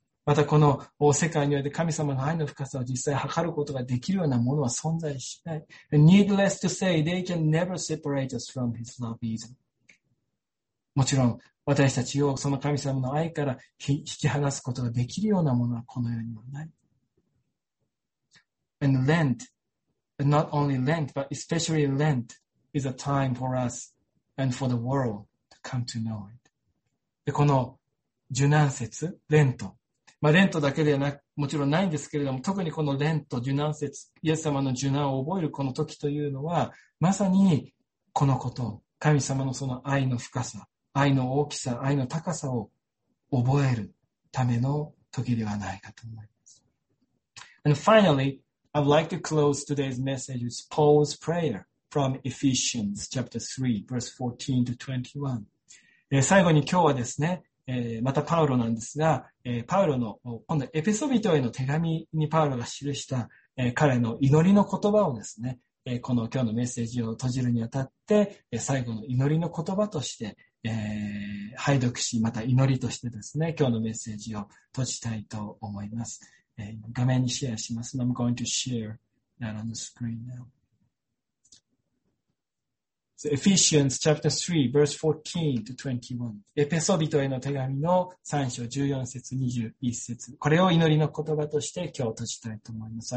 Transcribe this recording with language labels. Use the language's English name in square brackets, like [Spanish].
[Japanese] またこの世界において神様の愛の深さを実際測ることができるようなものは存在しない。 [English] Needless to say, they can never separate us from his love either. [Japanese] もちろん私たちをその神様の愛から引き離すことができるようなものはこの世にはない。 [English] And Lent, not only Lent, but especially Lent is a time for us and for the world to come to know it. [Japanese] で、この受難節、レント。まあ、レントだけではもちろんないんですけれども、特にこのレント、受難節、イエス様の受難を覚えるこの時というのは、まさにこのこと、神様のその愛の深さ、愛の大きさ、愛の高さを覚えるための時ではないかと思います。 [English] And finally, I would like to close today's message with Paul's prayer from Ephesians chapter 3, verse 14 to 21. [Japanese] 最後に今日はですね、またパウロなんですが、パウロの今度エペソ人への手紙にパウロが記した彼の祈りの言葉をですね、この今日のメッセージを閉じるにあたって最後の祈りの言葉として拝読し、また祈りとしてですね、今日のメッセージを閉じたいと思います。画面にシェアします。 [English] I'm going to share that on the screen now. So Ephesians chapter 3 verse 14 to 21. [Japanese] エペソ人への手紙の3章14節21節、これを祈りの言葉として今日閉じたいと思います。